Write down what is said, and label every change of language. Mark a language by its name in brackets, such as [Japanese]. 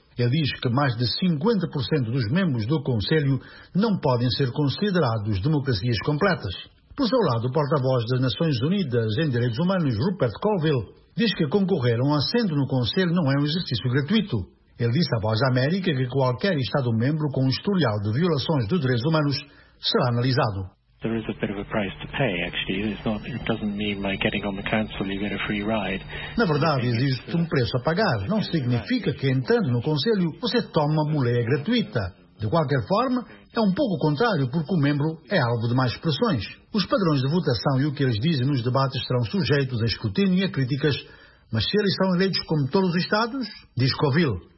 [Portuguese] Ele diz que mais de 50% dos membros do Conselho não podem ser considerados democracias completas. Por seu lado, o porta-voz das Nações Unidas em Direitos Humanos, Rupert Colville, diz que concorrer a um assento no Conselho não é um exercício gratuito. Ele disse à Voz da América que qualquer Estado-membro com um historial de violações dos direitos humanos será analisado. [English] There is a bit of a price to pay, actually. It's not, it doesn't mean by getting on the council you get a free ride. [Portuguese] Na verdade, existe um preço a pagar. Não significa que entrando no conselho você toma uma boleia gratuita. De qualquer forma, é um pouco contrário, porque o membro é alvo de mais pressões. Os padrões de votação e o que eles dizem nos debates serão sujeitos a escrutínio e a críticas, mas se eles são eleitos como todos os estados, diz Covil.